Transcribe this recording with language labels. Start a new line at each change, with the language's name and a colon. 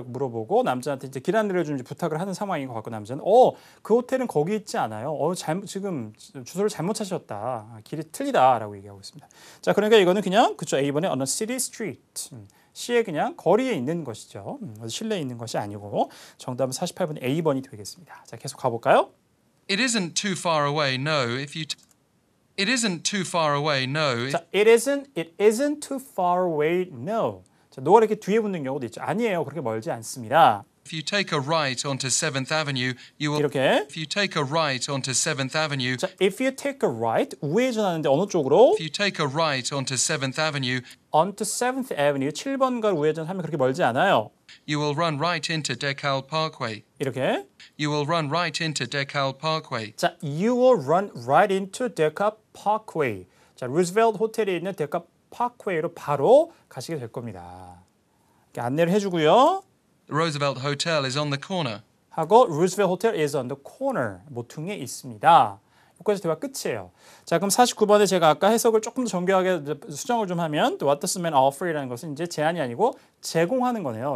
Korean: 이렇게 물어보고 남자한테 이제 길 안 내려주는지 부탁을 하는 상황인 것 같고 남자는 그 호텔은 거기 있지 않아요. 지금 주소를 잘못 찾으셨다. 길이 틀리다라고 얘기하고 있습니다. 자, 그러니까 이거는 그냥 그렇죠.
English: A번에 on a city street.
Korean: 시에 그냥 거리에 있는 것이죠. 실내에 있는 것이 아니고 정답은 48번 A번이 되겠습니다. 자, 계속 가볼까요?
English: It isn't too far away, no. If you It isn't too far away, no. 자, it isn't too far away, no.
Korean: 자, 너가 이렇게 뒤에 붙는 경우도 있죠. 아니에요, 그렇게 멀지 않습니다.
English: If you take a right onto 7th Avenue, you will...
Korean: 이렇게.
English: If you take a right onto 7th Avenue...
Korean: 자,
English: if you take a right,
Korean: 우회 전하는데 어느 쪽으로?
English: If you take a right onto 7th Avenue... Onto 7th Avenue,
Korean: 7번가로 우회 전하면 그렇게 멀지 않아요.
English: You will run right into DeKalb Parkway.
Korean: 이렇게.
English: You will run right into DeKalb Parkway. 자, you will run right into DeKalb Parkway.
Korean: 자, Roosevelt 호텔에 있는 DeKalb Parkway로 바로 가시게 될 겁니다. 이렇게 안내를 해주고요.
English: The Roosevelt Hotel is on the corner. 하고 Roosevelt Hotel is on the corner.
Korean: 모퉁이에 있습니다. 여기까지 대화 끝이에요. 자, 그럼 49번에 제가 아까 해석을 조금 더 정교하게 수정을 좀 하면
English: What does the man offer
Korean: 이라는 것은 이제 제안이 아니고 제공하는 거네요.